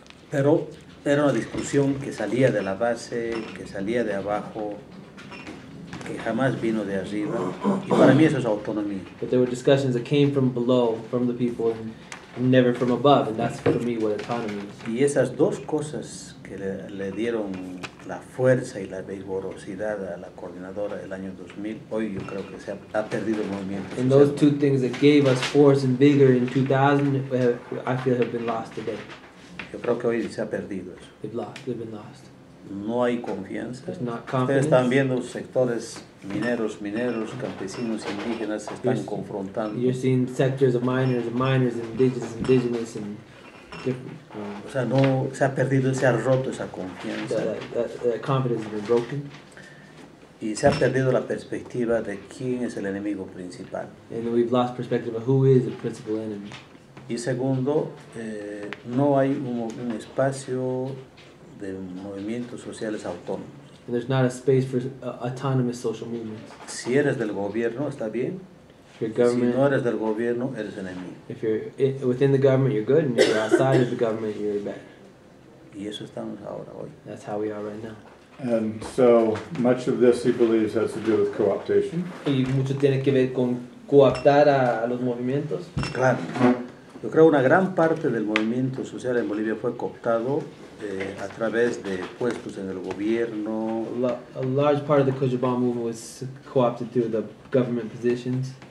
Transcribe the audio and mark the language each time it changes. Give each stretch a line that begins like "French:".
Spanish: Pero era una discusión que salía de la base, que salía de abajo, que jamás vino de arriba. Y para mí eso es autonomía.
English: But there were discussions that came from below, from the people, and never from above, and that's for me what autonomy is.
Spanish: Y esas dos cosas que le dieron la fuerza y la vigorosidad a la coordinadora del año 2000, hoy yo creo que se ha perdido el movimiento.
English: And those two things that gave us force and vigor in 2000, I feel have been lost today.
Spanish: Yo creo que hoy se ha perdido eso.
English: They've been lost.
Spanish: No hay confianza.
English: There's not confidence.
Spanish: Ustedes están viendo los sectores mineros, campesinos, indígenas se están confrontando.
English: You're seeing sectors of miners, indigenous, and different.
Spanish: O sea, no, se ha perdido, se ha roto esa confianza.
English: That confidence has been broken.
Spanish: Y se ha perdido la perspectiva de quién es el enemigo principal.
English: And we've lost perspective of who is the principal enemy.
Spanish: Y segundo, no hay un espacio de movimientos sociales autónomos.
English: And there's not a space for autonomous social movements.
Spanish: Si eres del gobierno, está bien.
English: If you're government,
Spanish: si no eres del gobierno, eres enemigo.
English: If you're within the government, you're good. And if you're outside of the government, you're bad.
Spanish: Y eso estamos ahora hoy.
English: That's how we are right now. And so much of this, he believes, has to do with co-optation.
Spanish: Y mucho tiene que ver con cooptar a los movimientos. Claro. Yo creo que una gran parte del movimiento social en Bolivia fue cooptado a través de puestos en el gobierno.
English: A large part of the Cochabamba movement was co-opted through the government positions.